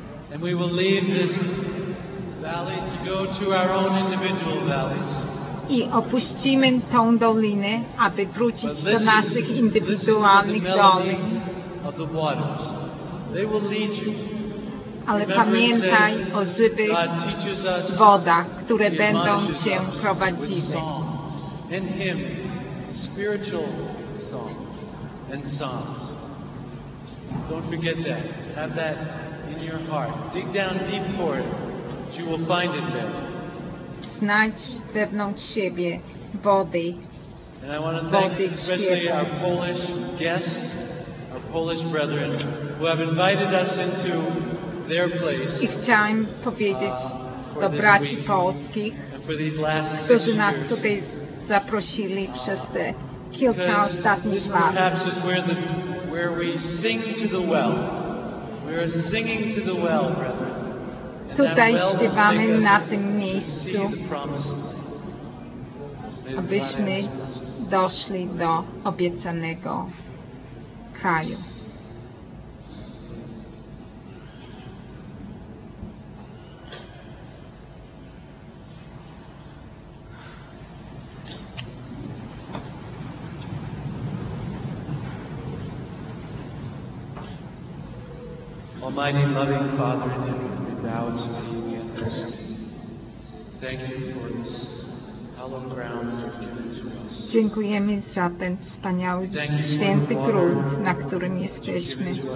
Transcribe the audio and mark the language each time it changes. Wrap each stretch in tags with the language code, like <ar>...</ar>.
<en>And we will leave this valley to go to our own individual valleys.</en> <pl>I opuścimy tą dolinę, aby wrócić do naszych indywidualnych dolin.</pl> <en>Of the waters. They will lead you.</en> <pl>Ale pamiętaj o żywych wodach, które będą cię prowadziły.</pl> <en>And hymns, spiritual songs and psalms. Don't forget that. Have that in your heart. Dig down deep for it. You will find it there.</en> <pl>Znajdź wewnątrz siebie wody.</pl> <en>And I want to thank especially our Polish guests, our Polish brethren, who have invited us into their place.</en> <pl>I chciałem powiedzieć do braci polskich, którzy nas tutaj zaprosili przez te kilka ostatnich lat.</pl> <en>Perhaps is where we sing to the well. We are singing to the well, brethren.</en> <pl>Tutaj śpiewamy na tym miejscu, abyśmy doszli do obiecanego kraju.</pl> <en>Almighty loving Father in heaven, bow to thee, we understand. Thank you for this hallowed ground you've given to us.</en> <pl>Dziękujemy za ten wspaniały, święty grunt, na którym jesteśmy.</pl>